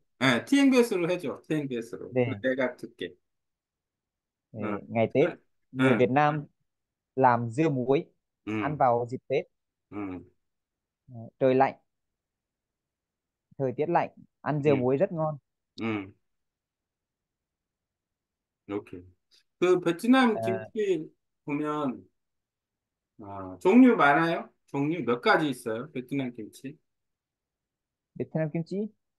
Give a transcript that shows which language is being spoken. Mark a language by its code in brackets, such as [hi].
[ko] TNBS로 해줘, TNBS로. 네. 내가 듣게. [vi] 네, ngày Tết người Việt Nam làm dưa muối ăn vào dịp Tết. Trời lạnh, thời tiết lạnh, ăn dưa muối rất ngon. [en] Okay. [ko] 그 베트남 김치 보면 종류 많아요? 종류 몇 가지 있어요? 베트남 김치? 베트남 김치?